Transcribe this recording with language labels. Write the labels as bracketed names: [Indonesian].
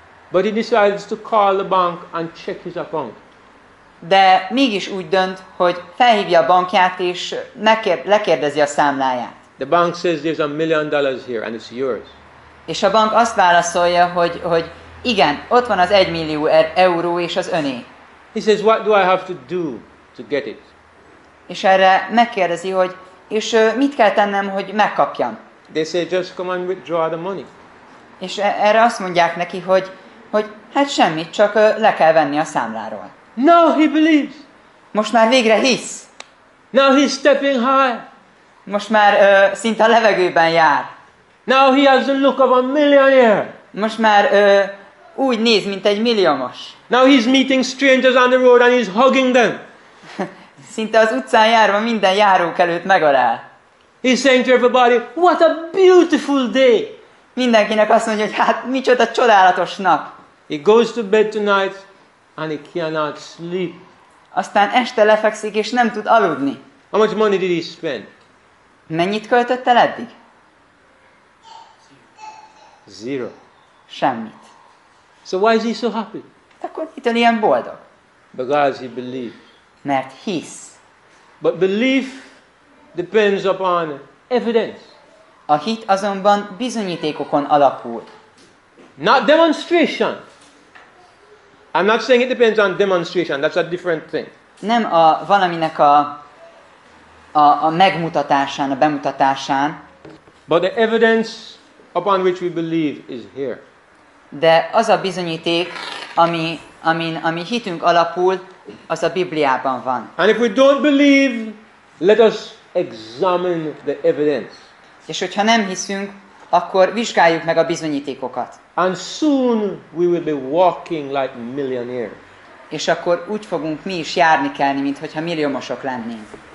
[English] But he decides to call the bank and check his account. [Hungarian] De mégis úgy dönt, hogy felhívja a bankját és lekérdezi a számláját. [English] The bank says there's $1 million here and it's yours. [Hungarian] És a bank azt válaszolja, hogy igen, ott van az 1 millió euró és az öné. [English] He says, what do I have to do to get it? [Hungarian] És erre megkérdezi, hogy és mit kell tennem, hogy megkapjam? [English] They say, just come and withdraw the money. [Hungarian] És erre azt mondják neki, hogy hát semmit, csak le kell venni a számláról. [English] Now he believes. [Hungarian] Most már végre hisz. [English] Now he's stepping high. [Hungarian] Most már szinte a levegőben jár. [English] Now he has the look of a millionaire. [Hungarian] Most már úgy néz, mint egy milliomos. [English] Now he's meeting strangers on the road and he's hugging them. [Hungarian] Szinte az utcán járva minden járók előtt megarál. [English] He's saying to everybody, what a beautiful day. [Hungarian] Mindenkinek azt mondja, hogy hát micsoda csodálatos nap. [English] He goes to bed tonight and he cannot sleep. [Hungarian] Aztán este lefekszik és nem tud aludni. [English] How much money did he spend? [Hungarian] Mennyit költött el eddig? [English] Zero. [Hungarian] Semmit. [English] So why is he so happy? [Hungarian] Akkor itt van ilyen boldog. [English] Because he believes. [Hungarian] Mert hisz. [English] But belief depends upon evidence. [Hungarian] A hit azonban bizonyítékokon alapul. [English] Not demonstration. I'm not saying it depends on demonstration. That's a different thing. [Hungarian] Nem a valaminek a megmutatásán, a bemutatásán. [English] But the evidence upon which we believe is here. [Hungarian] De az a bizonyíték, ami hitünk alapul, az a Bibliában van. [English] And if we don't believe, let us examine the evidence. [Hungarian] És hogyha nem hiszünk, akkor vizsgáljuk meg a bizonyítékokat. [English] And soon we will be walking like millionaires. [Hungarian] És akkor úgy fogunk mi is járni kelni, mint hogyha milliómosok lennénk.